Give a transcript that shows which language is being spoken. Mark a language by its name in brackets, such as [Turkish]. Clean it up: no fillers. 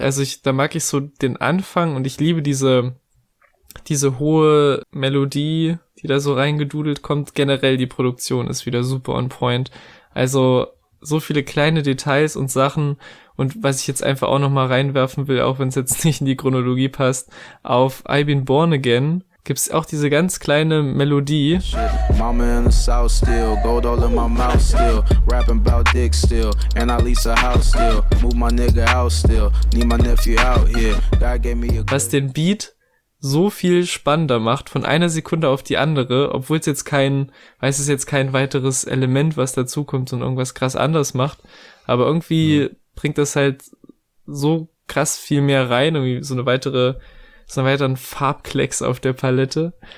[German] Also da mag ich so den Anfang und ich liebe diese hohe Melodie, die da so reingedudelt kommt. Generell die Produktion ist wieder super on point. Also so viele kleine Details und Sachen. Und was ich jetzt einfach auch nochmal reinwerfen will, auch wenn es jetzt nicht in die Chronologie passt, auf I've Been Born Again gibt's auch diese ganz kleine Melodie. [English] Mama in the South still, gold all in my mouth still, rapping about dick still, and I lease a house still, move my nigga out still, need my nephew out here, God gave me a good. [German] Was den Beat so viel spannender macht, von einer Sekunde auf die andere, obwohl es jetzt kein, weiß es jetzt kein weiteres Element, was dazukommt und irgendwas krass anders macht, aber irgendwie bringt das halt so krass viel mehr rein, irgendwie so eine weitere, so einen weiteren Farbklecks auf der Palette.